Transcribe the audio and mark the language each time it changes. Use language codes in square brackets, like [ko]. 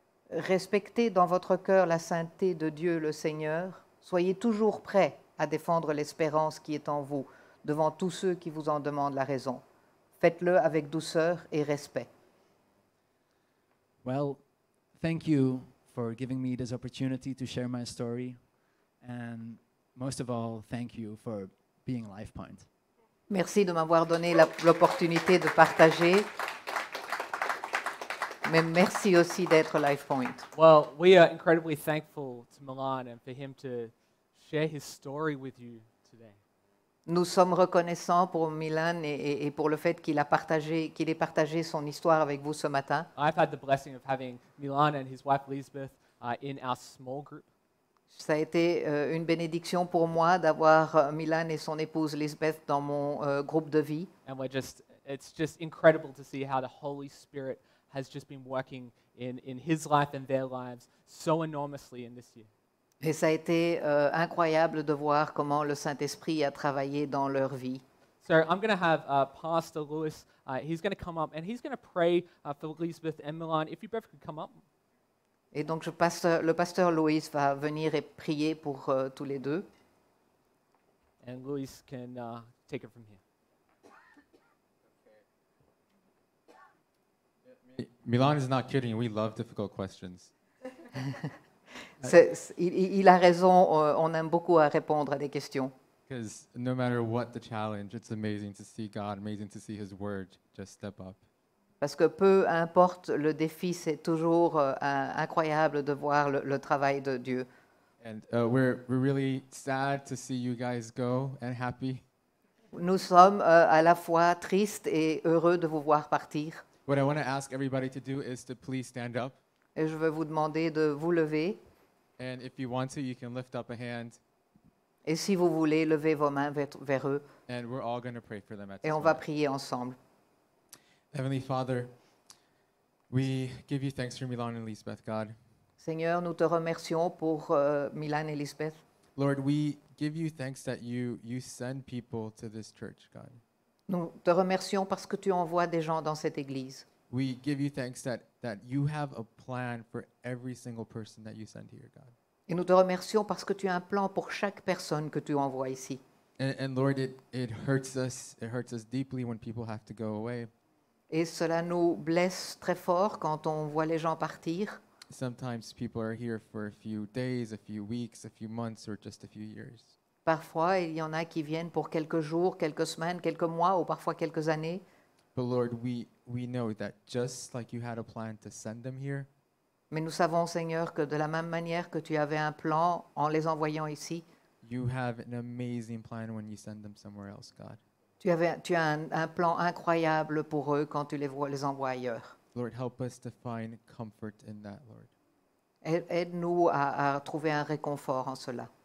[fr] Respectez dans votre cœur la sainteté de Dieu le Seigneur. Soyez toujours prêts à défendre l'espérance qui est en vous devant tous ceux qui vous en demandent la raison. Faites-le avec douceur et respect. [en] Well, thank you for giving me this opportunity to share my story. And most of all, thank you for being LifePoint. [fr] Merci de m'avoir donné l'opportunité de partager. Mais merci aussi d'être LifePoint. [en] Well, we are incredibly thankful to Milan and for him to share his story with you today. [fr] Nous sommes reconnaissants pour Milan et pour le fait qu'il ait partagé son histoire avec vous ce matin. [en] I've had the blessing of having Milan and his wife Elizabeth in our small group. [fr] Ça a été une bénédiction pour moi d'avoir Milan et son épouse Elizabeth dans mon groupe de vie. [en] And we're it's just incredible to see how the Holy Spirit has just been working in his life and their lives so enormously in this year. [fr] Et ça a été incroyable de voir comment le Saint-Esprit a travaillé dans leur vie. [en] So I'm going to have Pastor Lewis, he's going to come up and he's going to pray for Elizabeth and Milan. If you both could come up. [fr] Et donc le pasteur Lewis va venir et prier pour tous les deux. [en] And Lewis can take it from here. Milan is not kidding. We love difficult questions. [fr] Il a raison. On aime beaucoup à répondre à des questions. [en] Because no matter what the challenge, it's amazing to see God, amazing to see His Word just step up. [fr] Parce que peu importe le défi, c'est toujours incroyable de voir le travail de Dieu. [en] And we're really sad to see you guys go and happy. [fr] Nous sommes à la fois tristes et heureux de vous voir partir. [en] What I want to ask everybody to do is to please stand up. [fr] Et je vais vous demander de vous lever. [en] And if you want to, you can lift up a hand. [fr] Et si vous voulez, levez vos mains vers eux. [en] And we're all going to pray for them at [fr] Et on va prier ensemble. [en] Heavenly Father, we give you thanks for Milan and Lisbeth, God. [fr] Seigneur, nous te remercions pour Milan et Lisbeth. [en] Lord, we give you thanks that you send people to this church, God. [fr] Nous te remercions parce que tu envoies des gens dans cette église. [en] We give you thanks that you have a plan for every single person that you send here, God. [fr] Et nous te remercions parce que tu as un plan pour chaque personne que tu envoies ici. [en] And Lord, it hurts us. It hurts us deeply when people have to go away. [fr] Et cela nous blesse très fort quand on voit les gens partir. [en] Sometimes people are here for a few days, a few weeks, a few months, or just a few years. [fr] Parfois, il y en a qui viennent pour quelques jours, quelques semaines, quelques mois, ou parfois quelques années. [en] But Lord, we know that just like you had a plan to send them here. [fr] Mais nous savons, Seigneur, que de la même manière que tu avais un plan en les envoyant ici. [en] You have an amazing plan when you send them somewhere else, God. [fr] Tu as un plan incroyable pour eux quand tu les envoies ailleurs. [en] Lord, help us to find comfort in that, Lord. [fr] Aide-nous à trouver un réconfort en cela.